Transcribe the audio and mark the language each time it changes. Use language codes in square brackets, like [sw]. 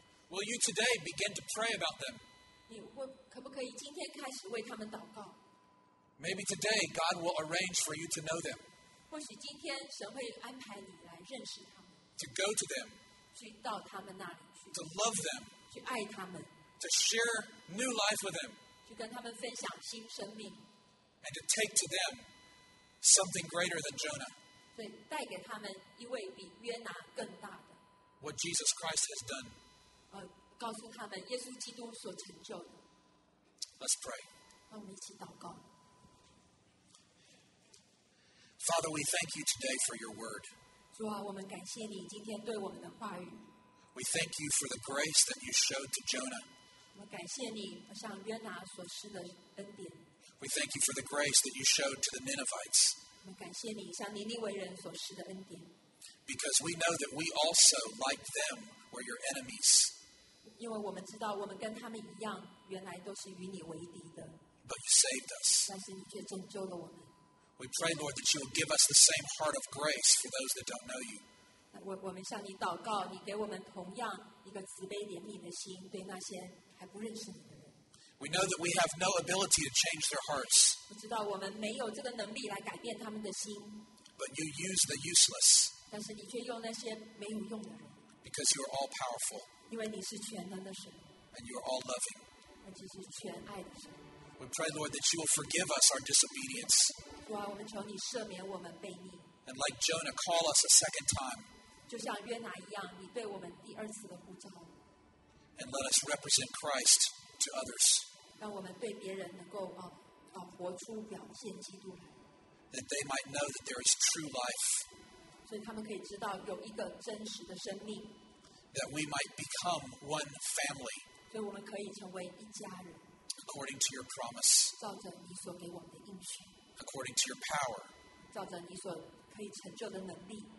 [en] Will you today begin to pray about them? [zh] 你会可不可以今天开始为他们祷告？ [en] Maybe today God will arrange for you to know them. [zh] 或许今天神会安排你来认识他们。 [en] To go to them. [zh] 去到他们那里去。 [en] To love them. [zh] 去爱他们。 [en] To share new life with them. [zh] 去跟他们分享新生命。 [en] And to take to them something greater than Jonah. [zh] 带给他们一位比约拿更大的。 [en] What Jesus Christ has done. [zh] 告诉他们耶稣基督所成就的。 [en] Let's pray. [zh] 让我们一起祷告。 [en] Father, we thank you today for your word. [zh] 主啊，我们感谢你今天对我们的话语。 [en] We thank you for the grace that you showed to Jonah. [zh] 我们感谢你向约拿所施的恩典。 [en] We thank you for the grace that you showed to the Ninevites. [zh] 我们感谢你向尼尼微人所施的恩典。 [en] Because we know that we also, like them, were your enemies. [zh] 因为我们知道我们跟他们一样，原来都是与你为敌的。 [en] But you saved us. [zh] 但是你却拯救了我们。 [en] We pray, Lord, that you will give us the same heart of grace for those that don't know you. [zh] 我们向你祷告，你给我们同样一个慈悲怜悯的心，对那些还不认识你的人。 [en] We know that we have no ability to change their hearts. [zh] 我知道我们没有这个能力来改变他们的心。 [en] But you use the useless. [zh] 但是你却用那些没有用的人。 [en] Because you are all powerful. [zh] 因为你是全能的神。 [en] And you are all loving. [zh] 而且是全爱的神。 [en] We pray, Lord, that you will forgive us our disobedience. [zh] 主啊，我们求你赦免我们悖逆。 [en] And like Jonah, call us a second time. [zh] 就像约拿一样，你对我们第二次的呼召。 [en] And let us represent Christ to others. [zh] 让我们对别人能够活出表现基督来。 [en] That they might know that there is true life. [zh] 所以他们可以知道有一个真实的生命。 [en] That we might become one family. [zh] 所以我们可以成为一家人。 [en] According to your promise. [zh] 照着你所给我们的应许。 [en] According to your power. [zh] 照着你所可以成就的能力。